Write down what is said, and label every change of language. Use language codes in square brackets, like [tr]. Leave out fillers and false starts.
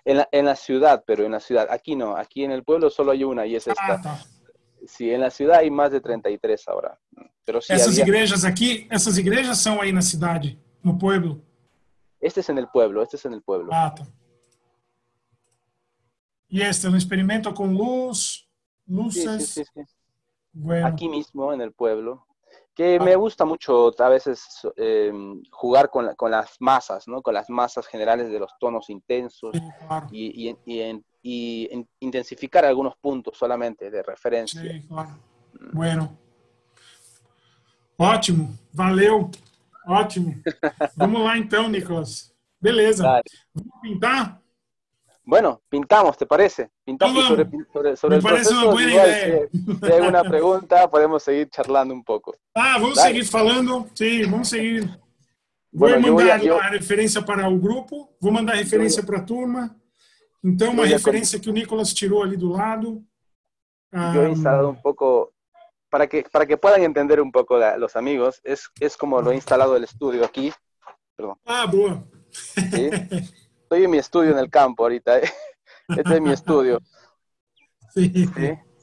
[es] En la ciudad, pero en la ciudad. Aquí no, aquí en el pueblo solo hay una y es esta. [pt] Tá. [es] Sí, en la ciudad hay más de 33 ahora. Pero sí, [pt] essas igrejas são aí na cidade, no pueblo. [es] Este es en el pueblo. [pt] Ah, tá. [es] Y este es un experimento con luces. Bueno. Aquí mismo, en el pueblo. Que me gusta mucho a veces jugar con las masas, ¿no? Con las masas generales de los tonos intensos y intensificar algunos puntos solamente de referencia. Sí, claro. Bueno. [pt] Ótimo. Valeu. Ótimo. Vamos lá então, Nicolas. Beleza. Dale. ¿Vamos pintar? [es] Bueno, pintamos, ¿te parece? Pintamos sobre el proceso. Me parece una buena idea. Si hay alguna pregunta, podemos seguir charlando un poco. Ah, vamos a seguir hablando. Sí, vamos a seguir. [pt] Vou bueno, mandar a referência para o grupo, vou mandar a referência para a turma. Então, uma referência que o Nicolas tirou ali do lado. [es] Yo he instalado un poco, para que puedan entender un poco los amigos, es como lo he instalado el estudio aquí. Perdón. [pt] Ah, boa. [es] ¿Sí? Estoy en mi estudio en el campo ahorita, ¿eh? Este es mi estudio. Sí. ¿Sí?